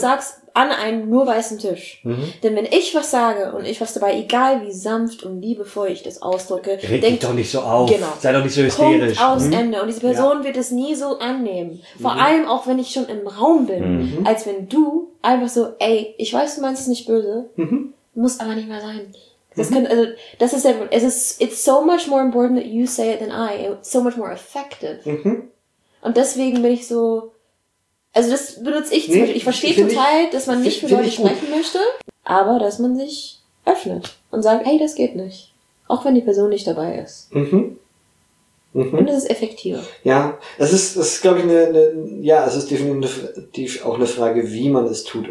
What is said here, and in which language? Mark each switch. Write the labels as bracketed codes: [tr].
[de] Sagst, an einem nur weißen Tisch. Denn wenn ich was sage und ich was dabei, egal wie sanft und liebevoll ich das ausdrücke, denk doch nicht so auf. Genau. Sei doch nicht so hysterisch. Punkt aus Ende. Und diese Person wird es nie so annehmen. Vor allem auch, wenn ich schon im Raum bin. Als wenn du einfach so, ey, ich weiß, du meinst es nicht böse. Muss aber nicht mehr sein. [en] It's so much more important that you say it than I. It's so much more effective. [de] Und deswegen bin ich so... Also das benutze ich zum Beispiel. Ich verstehe total, dass man nicht mit Leuten sprechen möchte, aber dass man sich öffnet und sagt, hey, das geht nicht. Auch wenn die Person nicht dabei ist. Und es ist effektiver. Ja, das ist glaube ich, es ist definitiv auch eine Frage, wie man es tut.